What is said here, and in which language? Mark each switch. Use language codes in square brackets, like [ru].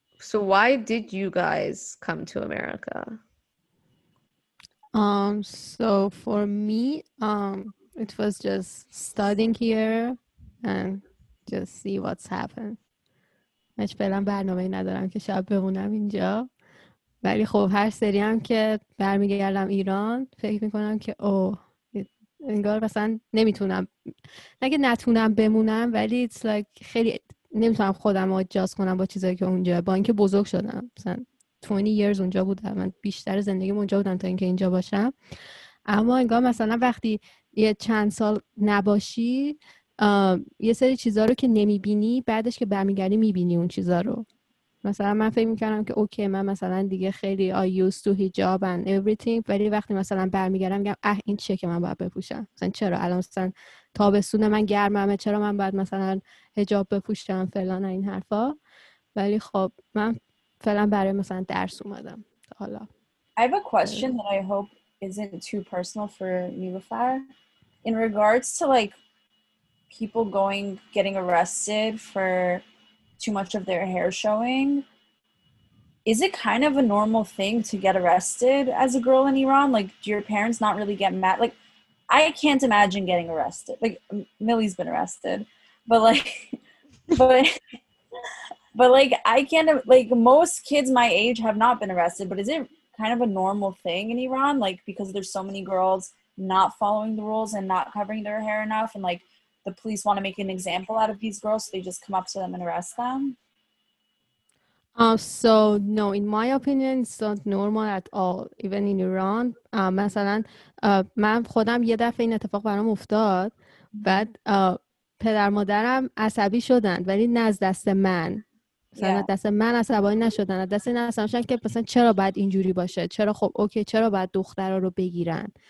[en] So why did you guys come to America? So for me, it was just studying here and just see what's happened. [fa] من فعلا برنامه‌ای ندارم که شب بمونم اینجا. ولی خب هر سری هم که برمیگردم ایران فکر میکنم که انگار مثلا نمیتونم. نگه نتونم بمونم ولی [en] it's like [fa] خیلی نمیتونم خودم رو اجاز کنم با چیزایی که اونجا، با اینکه بزرگ شدم مثلا [en] 20 years [fa] اونجا بودم، من بیشتر زندگیم اونجا بودم تا اینکه اینجا باشم، اما انگار مثلا وقتی یه چند سال نباشی یه سری چیزا رو که نمیبینی بعدش که برمیگردی میبینی اون چیزا رو. مثلا من فکر میکردم که اوکی من مثلا دیگه خیلی [en] I used to hijab and everything، [fa] ولی وقتی مثلا برمیگردم میگم این چیه که من باید بپوشم، مثلا چرا الان مثلا تابستون من گرممه، چرا من باید مثلا حجاب بپوشم فلان این حرفا. ولی خب من فعلا برای مثلا درس اومدم حالا. [en] I have a question that I hope isn't too personal for Niloufar. In regards to like people going, getting arrested for too much of their hair showing, is it kind of a normal thing to get arrested as a girl in Iran? Like, do your parents not really get mad? Like, I can't imagine getting arrested. Like, Millie's been arrested, but like, but like, I can't, like, most kids my age have not been arrested, but is it kind of a normal thing in Iran? Like, because there's so many girls not following the rules and not covering their hair enough, and like, the police want to make an example out of these girls, so they just come up to them and arrest them? So no, in my opinion, it's not normal at all, even in Iran. [fa] مثلا من خودم یه دفعه این اتفاق برام افتاد، بعد پدر مادرم عصبی شدن، ولی نه از دست من. مثلا دست من عصبانی نشدن، دست این عصبانی شدن که مثلا چرا باید اینجوری باشه، چرا خب اوکی، چرا باید دخترها رو بگیرن.